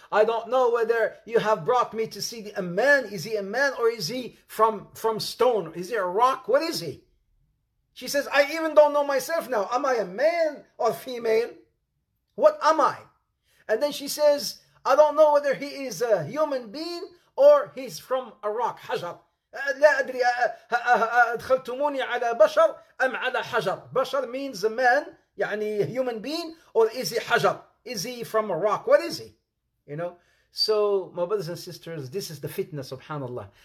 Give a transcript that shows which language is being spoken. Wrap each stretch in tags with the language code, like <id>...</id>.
<en>I don't know whether you have brought me to see a man. Is he a man or is he from stone? Is he a rock? What is he? She says, I even don't know myself now. Am I a man or female? What am I? And then she says, I don't know whether he is a human being or he's from a rock, hajar.</en> <ar>لا أدري أدخلتموني على بشر أم على حجر.</ar> <en>Bashar means a man, يعني human being, or is he hajar? Is he from a rock? What is he? You know? So, my brothers and sisters, this is the fitna, subhanAllah.</en>